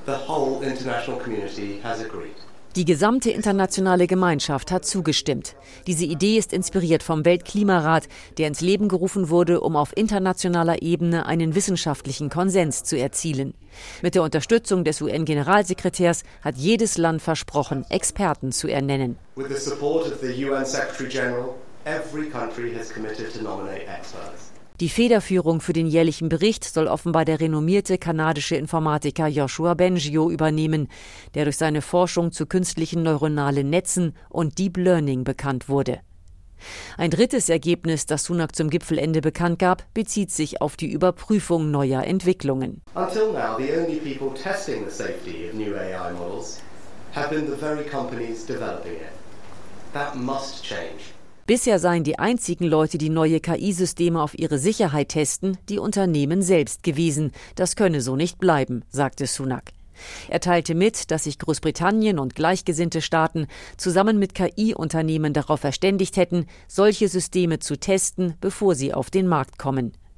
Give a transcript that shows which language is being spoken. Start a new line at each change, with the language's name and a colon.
English: The whole international community has agreed.
German: Die gesamte internationale Gemeinschaft hat zugestimmt. Diese Idee ist inspiriert vom Weltklimarat, der ins Leben gerufen wurde, um auf internationaler Ebene einen wissenschaftlichen Konsens zu erzielen. Mit der Unterstützung des UN-Generalsekretärs hat jedes Land versprochen, Experten zu ernennen.
English: With the support of the UN-Secretary-General, every country has committed to nominate experts.
German: Die Federführung für den jährlichen Bericht soll offenbar der renommierte kanadische Informatiker Joshua Bengio übernehmen, der durch seine Forschung zu künstlichen neuronalen Netzen und Deep Learning bekannt wurde. Ein drittes Ergebnis, das Sunak zum Gipfelende bekannt gab, bezieht sich auf die Überprüfung neuer Entwicklungen.
English: Until now, the only people testing the safety of new AI models have been the very companies developing it. That must change.
German: Bisher seien die einzigen Leute, die neue KI-Systeme auf ihre Sicherheit testen, die Unternehmen selbst gewesen. Das könne so nicht bleiben, sagte Sunak. Er teilte mit, dass sich Großbritannien und gleichgesinnte Staaten zusammen mit KI-Unternehmen darauf verständigt hätten, solche Systeme zu testen, bevor sie auf den Markt kommen.